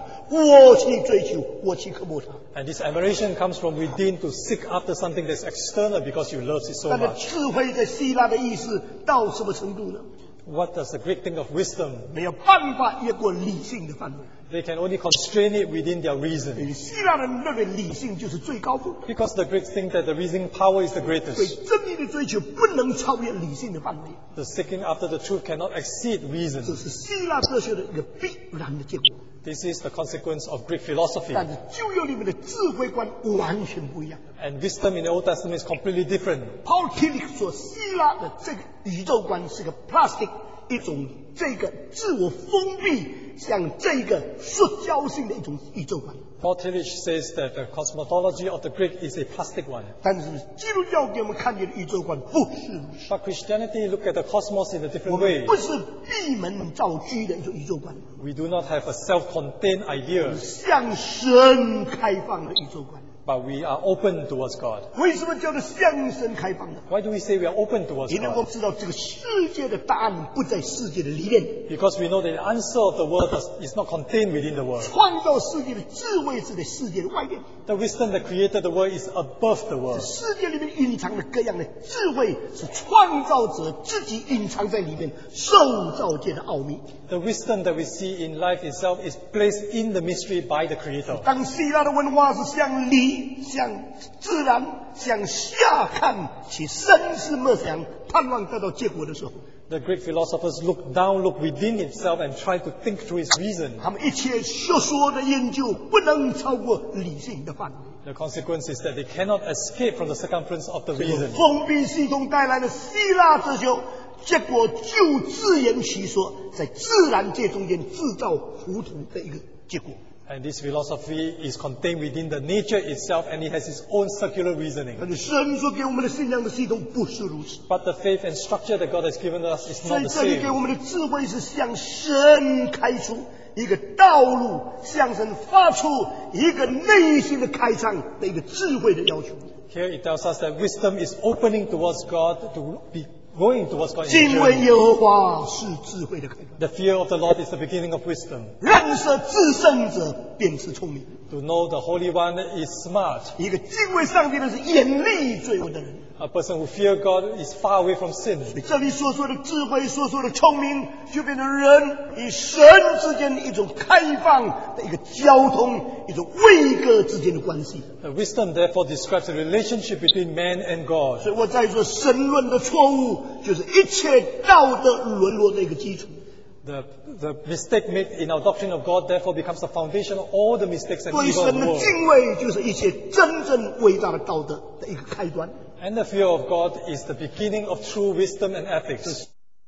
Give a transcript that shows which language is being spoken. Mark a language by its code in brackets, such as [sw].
[zh] 所以这个渴慕是从我里面出来，为了外面那个智慧的吸引力，我向他去，我去追求，我去渴慕他。 [en] And this admiration comes from within to seek after something that's external because you love it so much. [zh] 但是智慧在希腊的意思到什么程度呢？ [en] What does the Greek think of wisdom? [zh] 没有办法越过理性的范围。 [en] They can only constrain it within their reason. Because the Greeks think that the reasoning power is the greatest. The seeking after the truth cannot exceed reason. This is the consequence of Greek philosophy. And wisdom in the Old Testament is completely different. [zh] Paul Tillich 说希腊的这个宇宙观是个 plastic 一种这个自我封闭。像这个塑胶性的一种宇宙观。 [en] Paul Tillich says that the cosmology of the Greek is a plastic one. [zh] 但是基督教给我们看见的宇宙观不是。 [en] But Christianity look at the cosmos in a different way. [zh] 我们不是闭门造车的一种宇宙观。 [en] We do not have a self-contained idea. [zh] 向神开放的宇宙观。 [en] But we are open towards God. [zh] 为什么叫做向神开放呢？ [en] Why do we say we are open towards God? [zh] 因为我们知道这个世界的答案不在世界的里面。 [en] Because we know that the answer of the world is not contained within the world. [zh] 创造世界的智慧是在世界的外面。 [en] The wisdom that created the world is above the world. [zh] 世界里面隐藏的各样的智慧是创造者自己隐藏在里面受造界的奥秘。 [en] The wisdom that we see in life itself is placed in the mystery by the Creator. [zh] 当希腊的文化是向里向自然向下看其深思默想盼望得到结果的时候 [en] The Greek philosophers look down look within himself and try to think through his reason [zh] 他们一切学说的研究不能超过理性的范围 [en] The consequence is that they cannot escape from the circumference of the reason [zh] 封闭系统带来的希腊哲学结果就自圆其说在自然界中间制造糊涂的一个结果 [en] And this philosophy is contained within the nature itself and it has its own circular reasoning. [zh] 但是神所给我们的信仰的系统不是如此。 [en] But the faith and structure that God has given us is not the same. [zh] 所以这里给我们的智慧是向神开出一个道路，向神发出一个内心的开唱的一个智慧的要求。 [en] Here it tells us that wisdom is opening towards God to be going towards God. [zh] 敬畏耶和华是智慧的开端。 [en] The fear of the Lord is the beginning of wisdom. [zh] 认识至圣者便是聪明。 [en] To know the Holy One is smart. [zh] 一个敬畏上帝的是远离罪恶的人。 [en] A person who fears God is far away from sin. [zh] 这里所说的智慧，所说的聪明，就变成人与神之间一种开放的一个交通，一种位格之间的关系。 [en] The wisdom therefore describes the relationship between man and God. [zh] 所以我在说神论的错误，就是一切道德沦落的一个基础。 [en] The mistake made in our doctrine of God therefore becomes the foundation of all the mistakes and evil in the world. [zh] 对神的敬畏就是一切真正伟大的道德的一个开端。 [en] And the fear of God is the beginning of true wisdom and ethics.